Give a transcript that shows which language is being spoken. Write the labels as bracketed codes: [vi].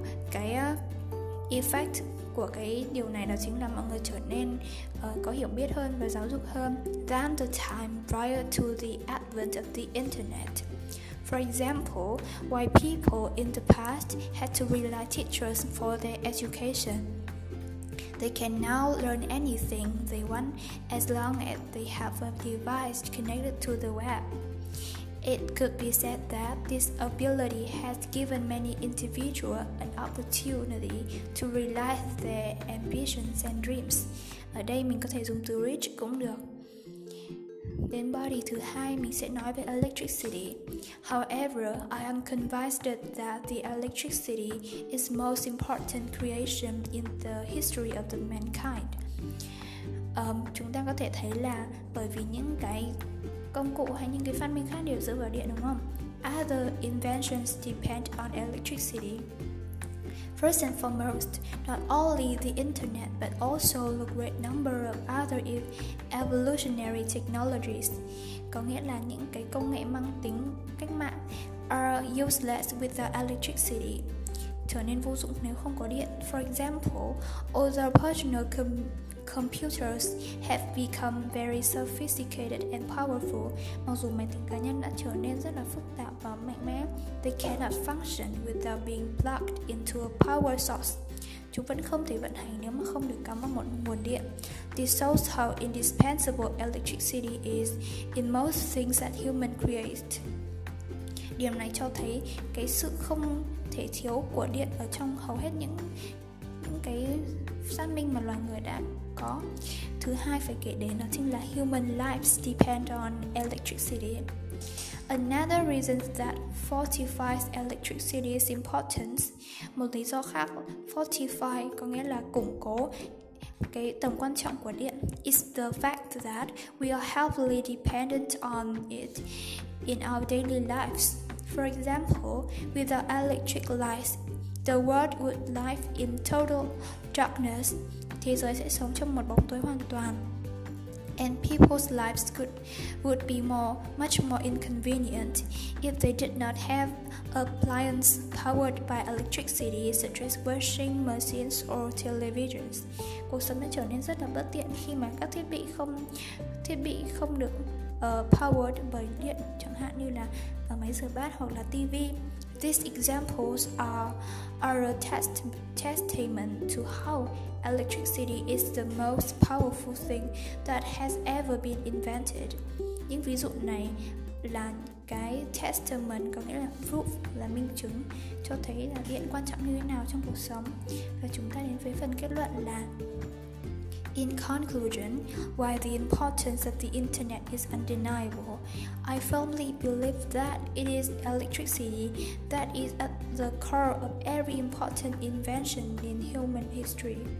[vi] Cái effect của cái điều này đó chính là mọi người trở nên có hiểu biết hơn và giáo dục hơn [en] than the time prior to the advent of the internet. For example, why people in the past had to rely on teachers for their education. They can now learn anything they want as long as they have a device connected to the web. It could be said that this ability has given many individuals an opportunity to realize their ambitions and dreams. [vi] Ở đây mình có thể dùng từ reach cũng được. Đến body thứ hai, mình sẽ nói về electricity. [en] However, I am convinced that the electricity is most important creation in the history of the mankind. [vi] Chúng ta có thể thấy là bởi vì những cái công cụ hay những cái phát minh khác đều dựa vào điện đúng không? [en] Other inventions depend on electricity. First and foremost, not only the internet, but also a great number of other evolutionary technologies. [vi] Có nghĩa là những cái công nghệ mang tính cách mạng [en] are useless without electricity. [vi] Trở nên vô dụng nếu không có điện. [en] For example, other personal computers have become very sophisticated and powerful. [vi] Mặc dù máy tính cá nhân đã trở nên rất là phức tạp và mạnh mẽ, [en] they cannot function without being plugged into a power source. [vi] chúng vẫn không thể vận hành nếu mà không được cắm vào một nguồn điện. [en] The source of indispensable electricity is in most things that humans create. [vi] Điểm này cho thấy cái sự không thể thiếu của điện ở trong hầu hết những cái phát minh mà loài người đã có. Thứ hai phải kể đến đó chính là [en] human lives depend on electricity. Another reason that fortifies electricity's importance. [vi] Một lý do khác, fortify có nghĩa là củng cố cái tầm quan trọng của điện, [en] is the fact that we are heavily dependent on it in our daily lives. For example, without electric lights, the world would live in total darkness. [vi] Thế giới sẽ sống trong một bóng tối hoàn toàn. [en] And people's lives would be much more inconvenient if they did not have appliances powered by electricity, such as washing machines or televisions. [vi] Cuộc sống sẽ trở nên rất là bất tiện khi mà các thiết bị không được powered bởi điện, chẳng hạn như là máy rửa bát hoặc là TV. [en] These examples are a testament to how electricity is the most powerful thing that has ever been invented. [vi] Những ví dụ này là cái testament, có nghĩa là proof, là minh chứng cho thấy là điện quan trọng như thế nào trong cuộc sống. Và chúng ta đến với phần kết luận là: [en] In conclusion, while the importance of the internet is undeniable, I firmly believe that it is electricity that is at the core of every important invention in human history.